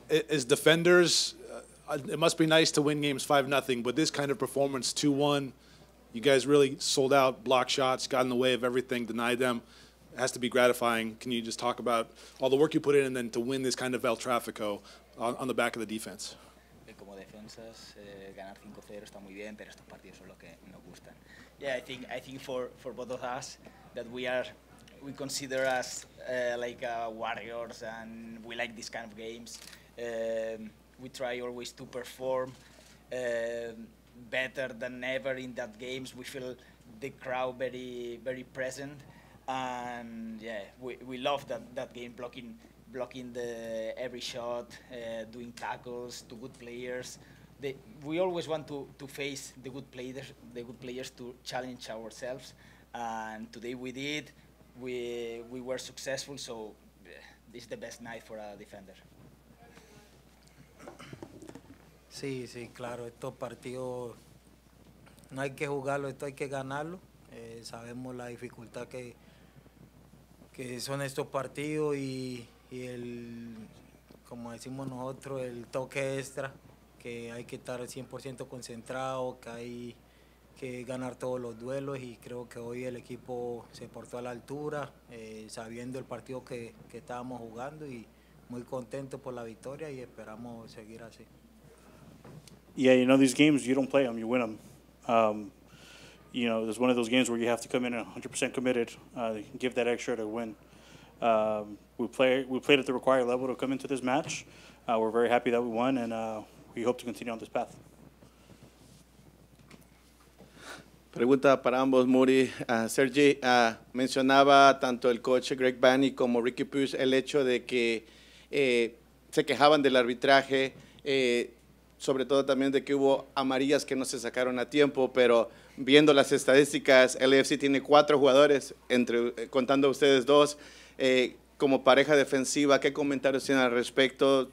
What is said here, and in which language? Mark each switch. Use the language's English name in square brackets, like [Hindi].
[English] As defenders, it must be nice to win games 5-0, but this kind of performance, 2-1, you guys really sold out, blocked shots, got in the way of everything, denied them. It has to be gratifying. Can you just talk about all the work you put in and then to win this kind of El Tráfico on the back of the defense? [Spanish] Como defensas, ganar 5-0 está muy bien, pero estos partidos son los que nos gustan. [English] Yeah, I think for both of us, that we consider us warriors, and we like this kind of games. We try always to perform better than ever in that games. We feel the crowd very, very present, and yeah, we love that game, blocking the every shot, doing tackles to good players. We always want to face the good players to challenge ourselves, and today we did. We were successful, so this is the best night for a defender. [Spanish] Sí, sí, claro. Estos partidos no hay que jugarlos, esto hay que ganarlo. Sabemos la dificultad que son estos partidos y el, como decimos nosotros, el toque extra, que hay que estar 100% concentrado, que hay que ganar todos los duelos, y creo que hoy el equipo se portó a la altura, sabiendo el partido que estábamos jugando, y muy contento por la victoria y esperamos seguir así. [English] Yeah, you know, these games, you don't play them, you win them. You know, it's one of those games where you have to come in 100% committed, give that extra to win. We played at the required level to come into this match. We're very happy that we won, and we hope to continue on this path. [Spanish] Pregunta para ambos, Muri. Sergi, mencionaba tanto el coach Greg Banny como Ricky Pierce el hecho de que se quejaban del arbitraje, sobre todo también de que hubo amarillas que no se sacaron a tiempo, pero viendo las estadísticas, LAFC tiene 4 jugadores, contando ustedes 2, como pareja defensiva, ¿qué comentarios tienen al respecto?